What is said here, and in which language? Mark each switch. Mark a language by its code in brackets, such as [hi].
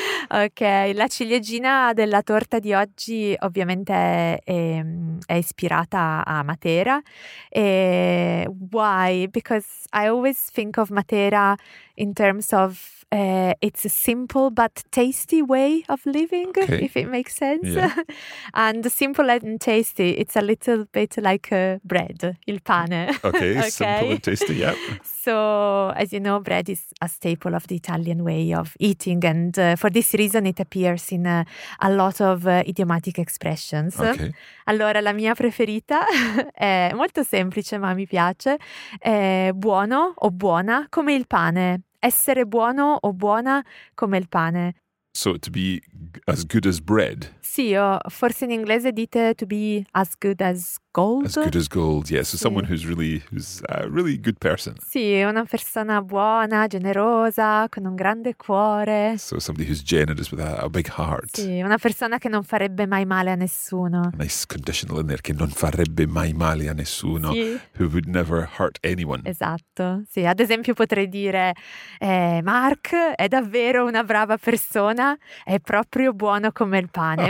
[it] Ok, la ciliegina della torta di oggi ovviamente è ispirata a Matera. [en] E why? Because I always think of Matera in terms of it's a simple but tasty way of living, okay. If it makes sense. Yeah. And simple and tasty, it's a little bit like bread, il pane. Okay, okay, simple and tasty, yeah. So, as you know, bread is a staple of the Italian way of eating. And for this reason, it appears in a lot of idiomatic expressions. Okay. [it] Allora, la mia preferita è molto semplice, ma mi piace. È buono o buona come il pane. Essere buono o buona come il pane. [en] So to be as good as bread. [it] Sì, o forse in inglese dite [en] to be as good as gold. As good as gold, yes. So someone who's a really good person. [it] Sì, una persona buona, generosa, con un grande cuore. [en] So somebody who's generous with a big heart. [it] Sì, una persona che non farebbe mai male a nessuno. [en] A nice conditional in there, [it] che non farebbe mai male a nessuno. Sì. [en] Who would never hurt anyone. [it] Esatto, sì. Ad esempio potrei dire, Mark è davvero una brava persona, è proprio buono come il pane.